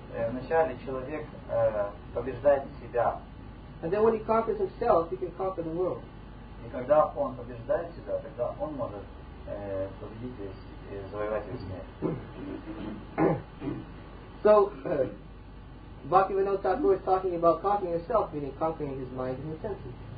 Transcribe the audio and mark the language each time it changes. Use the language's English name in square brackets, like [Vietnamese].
[Russian] Вначале человек побеждает себя. [English] And then when he conquers himself, he can conquer the world. [Russian] И когда он побеждает себя, тогда он может победить и завоевать весь мир. [English] So, Bhaktivinoda Thakur is talking about conquering himself, meaning conquering his mind and his senses.